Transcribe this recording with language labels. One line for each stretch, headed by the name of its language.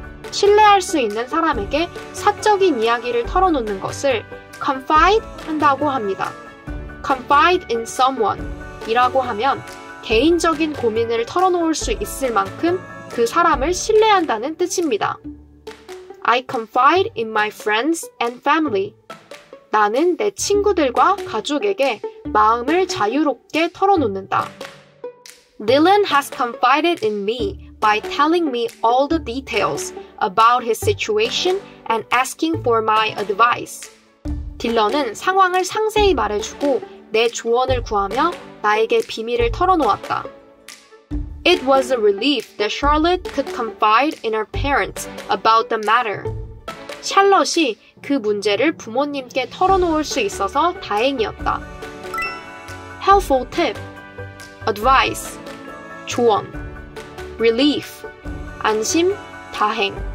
Korean: 신뢰할 수 있는 사람에게 사적인 이야기를 털어놓는 것을 confide 한다고 합니다.
English: Confide in someone
Korean: 이라고 하면 개인적인 고민을 털어놓을 수 있을 만큼 그 사람을 신뢰한다는 뜻입니다.
English: I confide in my friends and family.
Korean: 나는 내 친구들과 가족에게 마음을 자유롭게 털어놓는다.
English: Dylan has confided in me by telling me all the details about his situation and asking for my advice.
Korean: 딜런은 상황을 상세히 말해주고 내 조언을 구하며 나에게 비밀을 털어놓았다.
English: It was a relief that Charlotte could confide in her parents about the matter.
Korean: 샬롯이 그 문제를 부모님께 털어놓을 수 있어서 다행이었다.
English: Helpful tip, advice, 조언, relief, 안심, 다행.